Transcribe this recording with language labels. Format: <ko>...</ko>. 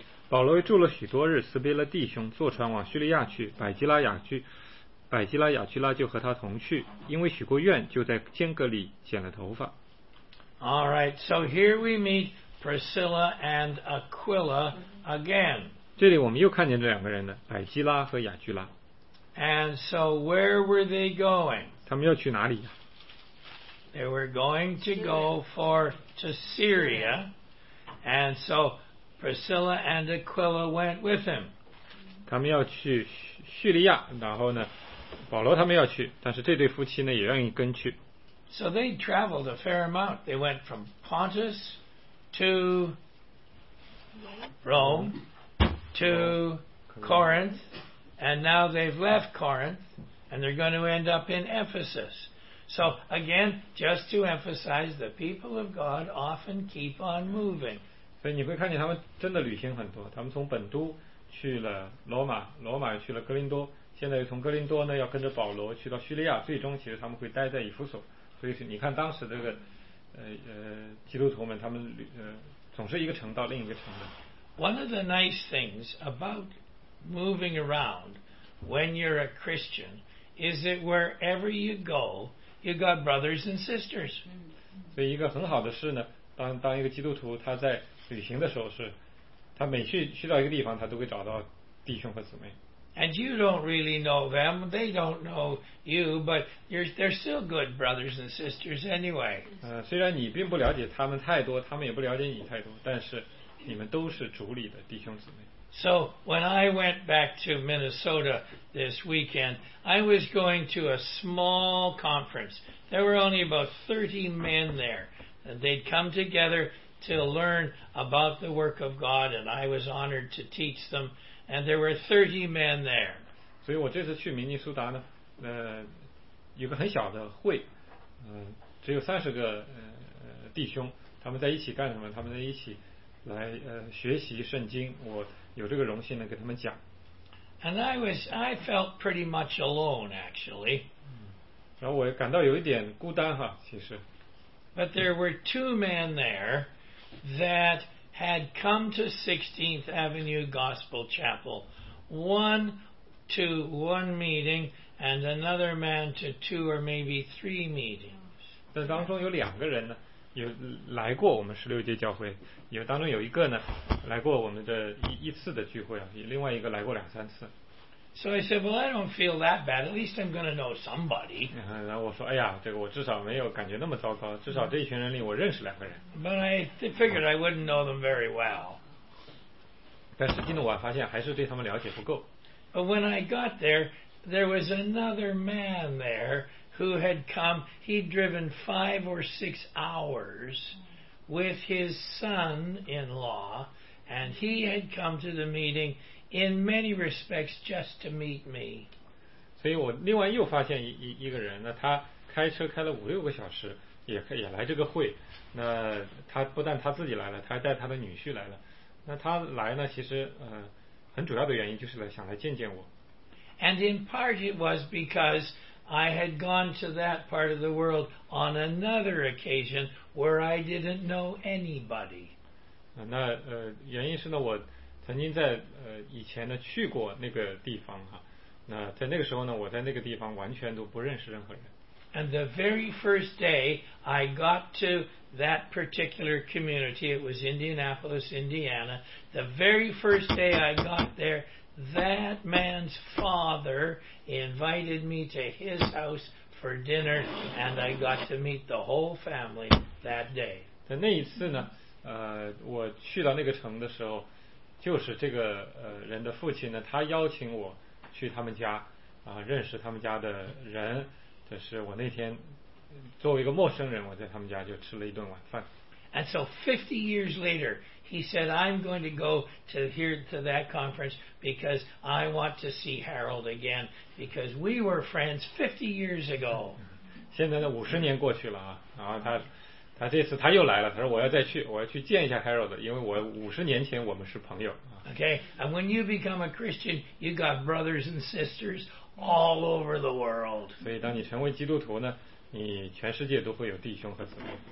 <zh>保罗住了许多日，辞别了弟兄，坐船往叙利亚去。百基拉雅居拉就和他同去，因为许过愿，就在间隔里剪了头发。</zh> <en>All right, so here we meet Priscilla and Aquila again.</en> <zh>这里我们又看见这两个人了，百基拉和雅居拉。</zh> <en>And so where were they going?</en> <zh>他们要去哪里？</zh> <en>They were going to go to Syria. And so Priscilla and Aquila went with him.</en> <zh>他们要去叙利亚，然后呢，保罗他们要去，但是这对夫妻呢也愿意跟去。</zh> <en>So they traveled a fair amount. They went from Pontus to Rome to Corinth, and now they've left Corinth and they're going to end up in Ephesus. So again, just to emphasize, the people of God often keep on moving.</en> <zh>所以你会看见他们真的旅行很多，他们从本都去了罗马，罗马去了哥林多，现在从哥林多呢要跟着保罗去到叙利亚，最终其实他们会待在以弗所。所以你看当时这个基督徒们，他们总是一个城到另一个城的。</zh> <en>One of the nice things about moving around when you're a Christian is that wherever you go, you got brothers and sisters.</en> <zh>所以一个很好的事呢，当一个基督徒他在旅行的时候是，他每去到一个地方，他都会找到弟兄和姊妹。</zh> <en>And you don't really know them, they don't know you, but they're still good brothers and sisters anyway.</en> <zh>虽然你并不了解他们太多，他们也不了解你太多，但是你们都是主里的弟兄姊妹。</zh> <en>So when I went back to Minnesota this weekend, I was going to a small conference. There were only about 30 men there. And they'd come together to learn about the work of God, and I was honored to teach them. And there were 30 men there.</en> <zh>所以我这次去明尼苏达呢，有个很小的会，只有30个弟兄，他们在一起干什么？他们在一起来学习圣经。我有这个荣幸呢，跟他们讲。</zh> <en>And I felt pretty much alone, actually.</en> <zh>然后我感到有一点孤单哈，其实。</zh> <en>But there were two men there that had come to 16th Avenue Gospel Chapel, one to one meeting, and another man to two or maybe three meetings.</en> <zh>在当中有两个人呢，有来过我们十六届教会，有当中有一个呢，来过我们的一次的聚会啊，另外一个来过两三次。</zh> <en>So I said, well, I don't feel that bad. At least I'm going to know somebody.</en> <zh>然后我说，哎呀，这个我至少没有感觉那么糟糕。至少这一群人里，我认识两个人。</zh> <en>But I figured I wouldn't know them very well.</en> <zh>但实际呢，我发现还是对他们了解不够。</zh> <en>But when I got there, there was another man there who had come. He'd driven 5 or 6 hours with his son-in-law, and he had come to the meeting. In many respects, just to meet me.</en> <zh>所以我另外又发现一个人，那他开车开了5-6个小时，也来这个会。那他不但他自己来了，他还带他的女婿来了。那他来呢，其实很主要的原因就是想来见见我。</zh> <en>And in part it was because I had gone to that part of the world on another occasion where I didn't know anybody.</en> <zh>那原因是呢我。曾经在以前呢去过那个地方哈，那在那个时候呢，我在那个地方完全都不认识任何人。</zh> <en>And the very first day I got to that particular community, it was Indianapolis, Indiana. The very first day I got there, that man's father invited me to his house for dinner, and I got to meet the whole family that day.</en> <zh>在那一次呢，我去到那个城的时候。就是这个人的父亲呢，他邀请我去他们家认识他们家的人，这是我那天作为一个陌生人，我在他们家就吃了一顿晚饭。</zh> <en>And so 50 years later, he said, I'm going to go to here to that conference because I want to see Harold again because we were friends 50 years ago.</en> <zh>现在呢50年过去了啊，然后他这次他又来了，他说我要再去，我要去见一下 Harold， 因为我50年前我们是朋友。</zh> <en>Okay, and when you become a Christian, you got brothers and sisters all over the world.</en> <zh>所以当你成为基督徒呢，你全世界都会有弟兄和姊妹。</zh>